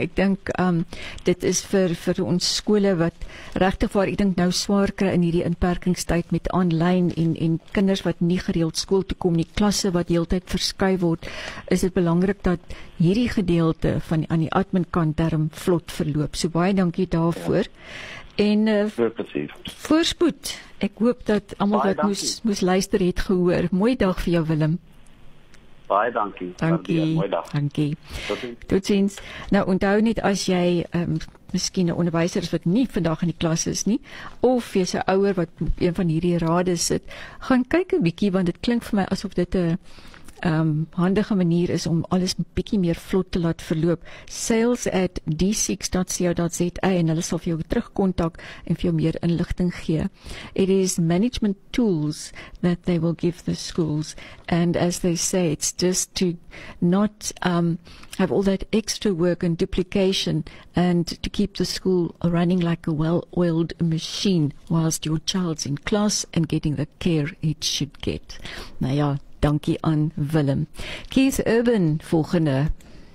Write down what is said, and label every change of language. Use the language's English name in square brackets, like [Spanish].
[Afrikaans] Ek dink dit is vir ons skole wat regtig waar, ek dink nou swaar kry in hierdie inperkingstyd met aanlyn en kinders wat nie gereeld skool toe kom nie, klasse wat heeltyd verskuif word, is dit belangrik dat hierdie gedeelte van aan die admin kant daarom vlot verloop. So baie dankie daarvoor. En voorspoed, ek hoop dat almal wat moes luister het gehoor. Mooi dag vir jou, Willem. Baie dankie. Dankie. Dankie. Tot ziens. Nou, onthou net as jy miskien 'n onderwyser is wat nie vandag in die klas is nie, of jy's 'n ouer wat op een van hierdie rade sit, gaan kyk 'n bietjie, want dit klink vir my asof dit 'n handige manier is om alles bietjie meer vlot te laat verloop. sales@d6.co.za en hulle sal vir jou terugkontak en vir jou meer inligting gee. [English] It is management tools that they will give the schools, and as they say, it's just to not have all that extra work and duplication and to keep the school running like a well-oiled machine whilst your child's in class and getting the care it should get. [Afrikaans] Nou ja, dankie aan Willem. Keith Urban volgende.